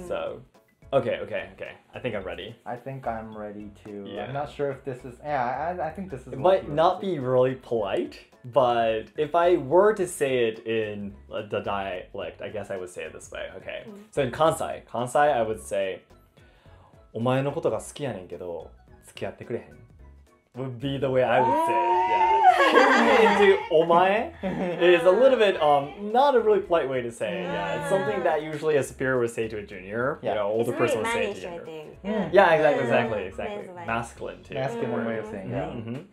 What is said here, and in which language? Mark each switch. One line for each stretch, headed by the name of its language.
English: So... Okay. I think I'm ready. I think I'm ready too. Yeah. I'm not sure if this is... I think this is... It might not be really polite, but if I were to say it in the dialect, I guess I would say it this way. Okay. So in Kansai, I would say...
Japanese: お前のことが好きやねんけど、付き合ってくれへん?
English: Would be the way I would say it. Yeah. into omae is a little bit not a really polite way to say it. Yeah, it's something that usually a superior would say to a junior. Yeah. You know, older it's person really would say to you. Yeah, exactly. Masculine too. Masculine way of saying it.